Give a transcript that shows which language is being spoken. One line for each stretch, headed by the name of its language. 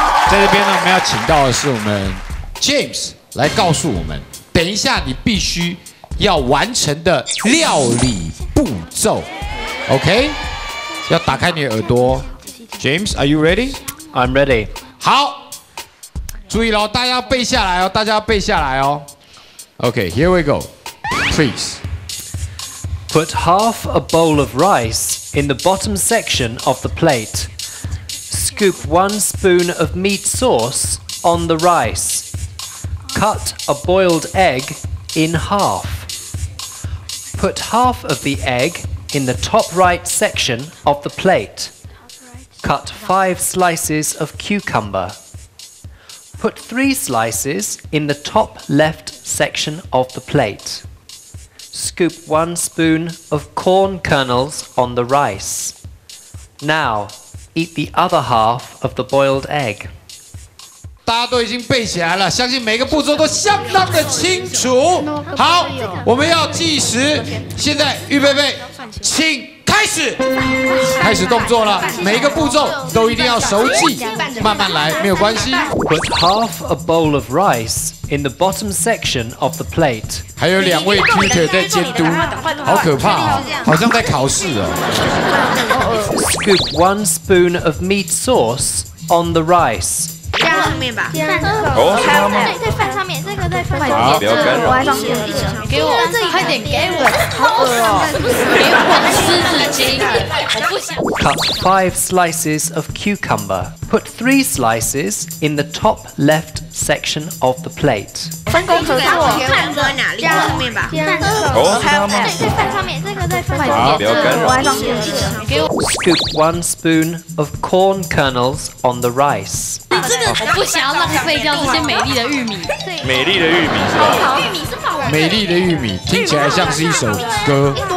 Chinese: 在这边呢，我们要请到的是我们 James 来告诉我们，等一下你必须要完成的料理步骤。 OK， 要打开你的耳朵。James，
English: are you ready？ I'm ready。
Chinese: 好，注意喽，大家要背下来哦，大家要背下来哦。
English: OK， here we go。 Please put half a bowl of rice in the bottom section of the plate. Scoop one spoon of meat sauce on the rice. Cut a boiled egg in half. Put half of the egg in the top right section of the plate. Cut five slices of cucumber. Put three slices in the top left section of the plate. Scoop one spoon of corn kernels on the rice. Now,Eat the other half of the boiled egg.
Chinese: 大家都已经背起来了，相信每个步骤都相当的清楚。好，我们要计时，现在预备备，请开始，开始动作了。每一个步骤都一定要熟记，慢慢来，没有关系。
English: Put half a bowl of rice in the bottom section of the plate.
Chinese: 还有两位 tutor 在监督，好可怕哦，好像在考试哦。
English: Scoop one spoon of meat sauce on the rice.
Chinese: 加上面吧，加上。哦，在饭上面，这个在饭上面。好，不要干扰。给我，快点给我，好饿哦。给我湿纸巾，我不想。
English: Cut five slices of cucumber. Put three slices in the top left section of the plate.
Chinese: 分工合作，饭搁哪里？加上面吧，加上。哦，在饭上面，这个在饭上面。好，不要干扰。
English: Scoop one spoon of corn kernels on the rice.
Chinese: 你真的，我不想要浪费掉这些美丽的玉米。美丽的玉米是吧？玉米是吧？美丽的玉米听起来像是一首歌。